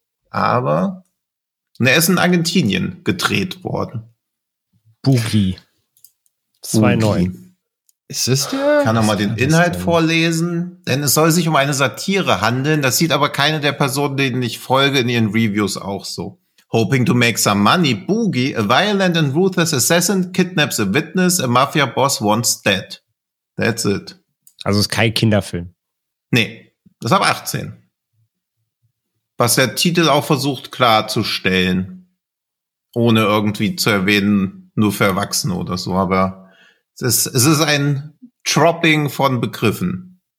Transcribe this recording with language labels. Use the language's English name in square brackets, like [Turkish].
[German] Aber er ist in Argentinien gedreht worden. Boogie. 2009. Ist es der? Kann auch mal den Inhalt vorlesen. Denn es soll sich um eine Satire handeln. Das sieht aber keine der Personen, denen ich folge, in ihren Reviews auch so. [English] Hoping to make some money, Boogie, a violent and ruthless assassin, kidnaps a witness, a mafia boss once dead. That's it. [German] Also ist kein Kinderfilm. Nee, das ist ab 18. Was der Titel auch versucht klarzustellen, ohne irgendwie zu erwähnen, nur für Erwachsene oder so. Aber es ist ein Dropping von Begriffen.